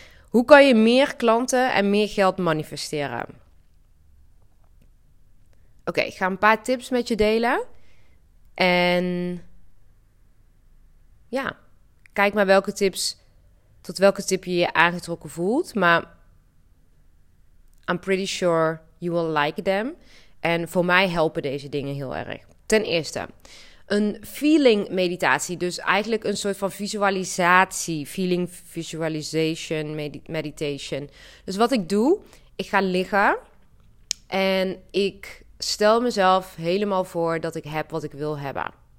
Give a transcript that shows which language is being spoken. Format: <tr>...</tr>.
<nl>Hoe kan je meer klanten en meer geld manifesteren? Oké, ik ga een paar tips met je delen. En ja, kijk maar tot welke tip je je aangetrokken voelt.</nl> <en>Maar I'm pretty sure you will like them.</en> <nl>En voor mij helpen deze dingen heel erg. Ten eerste, een feeling meditatie, dus eigenlijk een soort van visualisatie,</nl> <en>feeling visualization meditation.</en> <nl>Dus wat ik doe, ik ga liggen en ik stel mezelf helemaal voor dat ik heb wat ik wil hebben.</nl>